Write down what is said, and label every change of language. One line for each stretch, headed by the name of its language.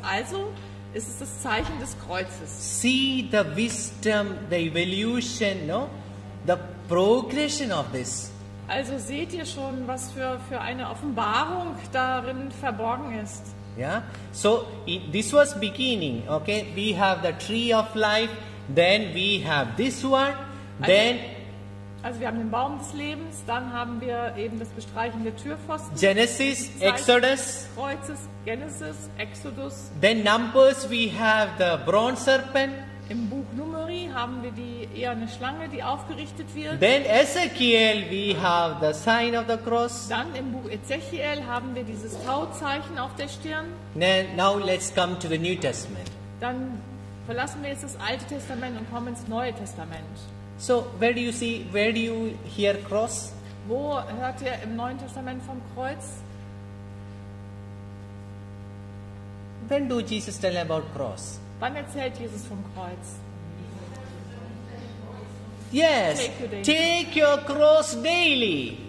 German: Also, es ist das Zeichen des Kreuzes.
English: See the wisdom, the evolution, no? The progression of this.
German: Also seht ihr schon, was für eine Offenbarung darin verborgen ist.
English: Yeah. So this was beginning, okay? We have the tree of life, then we have this one, then
German: also wir haben den Baum des Lebens, dann haben wir eben das Bestreichen der Türpfosten.
English: Genesis, Exodus.
German: Kreuzes, Genesis, Exodus.
English: Then Numbers, we have the bronze serpent.
German: Im Buch Numeri haben wir die eherne Schlange, die aufgerichtet wird.
English: Then Ezekiel, we have the sign of the cross.
German: Dann im Buch Ezekiel haben wir dieses Tauzeichen auf der Stirn.
English: Now let's come to the New Testament.
German: Dann verlassen wir jetzt das Alte Testament und kommen ins Neue Testament.
English: So, where do you see, where do you hear cross?
German: Wo hört ihr im Neuen Testament vom Kreuz?
English: When do Jesus tell about cross?
German: Wann erzählt Jesus vom Kreuz?
English: Yes, take your cross daily.